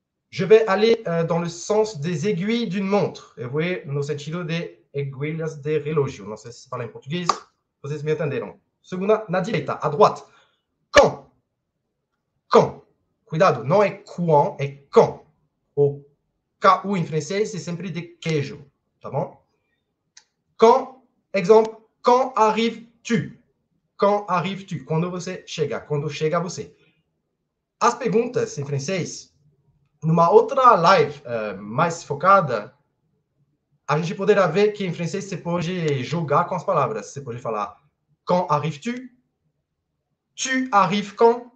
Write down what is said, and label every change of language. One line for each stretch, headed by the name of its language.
French: Je vais aller dans le sens des aiguilles d'une montre.
Portuguese: Eu vou ir no sentido de aiguilhas de relógio. Não sei se fala em português. Vocês me entenderam. Segunda, na direita,
French: à droite. Quand? Quand?
Portuguese: Cuidado, não é quand, é quand. O KU em francês é sempre de queijo. Tá bom?
French: Quand, exemple, quand arrives-tu? Quand arrives-tu?
Portuguese: Quando você chega? Quando chega você? As perguntas em francês, numa outra live mais focada, a gente poderá ver que em francês você pode jogar com as palavras. Você pode falar
French: quand arrives-tu? Tu arrives quand?